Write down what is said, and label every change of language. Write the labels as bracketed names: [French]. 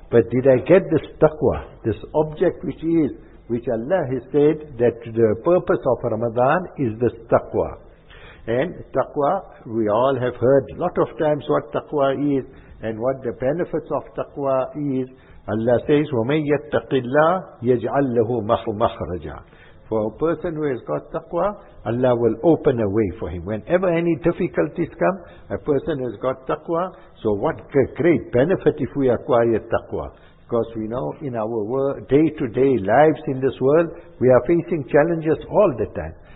[English] But did I get this taqwa, this object which Allah has said that the purpose of Ramadan is this taqwa. And taqwa, we all have heard a lot of times what taqwa is and what the benefits of taqwa is. Allah says, [Arabic] وَمَنْ يَتَّقِ اللَّهِ يَجْعَلْ لَهُ مَخْرَجًا. [English] For a person who has got taqwa, Allah will open a way for him. Whenever any difficulties come, a person has got taqwa, so what a great benefit if we acquire taqwa. Because we know in our day-to-day lives in this world, we are facing challenges all the time.